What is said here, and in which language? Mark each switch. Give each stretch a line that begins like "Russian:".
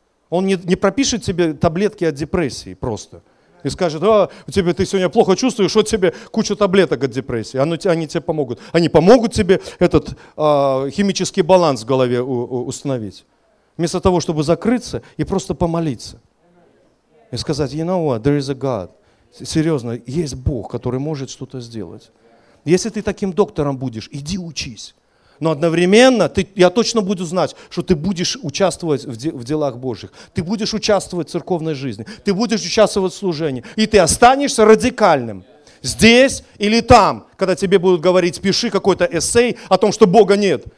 Russian: Он не пропишет тебе таблетки от депрессии просто. И скажет, ты сегодня плохо чувствуешь, вот тебе куча таблеток от депрессии. Они тебе помогут. Они помогут тебе этот химический баланс в голове установить. Вместо того, чтобы закрыться и просто помолиться. И сказать,
English: you know what, there is a God.
Russian: Серьезно, есть Бог, который может что-то сделать. Если ты таким доктором будешь, иди учись. Но одновременно я точно буду знать, что ты будешь участвовать в делах Божьих. Ты будешь участвовать в церковной жизни. Ты будешь участвовать в служении. И ты останешься радикальным. Здесь или там, когда тебе будут говорить, пиши какой-то эссей о том, что Бога нет.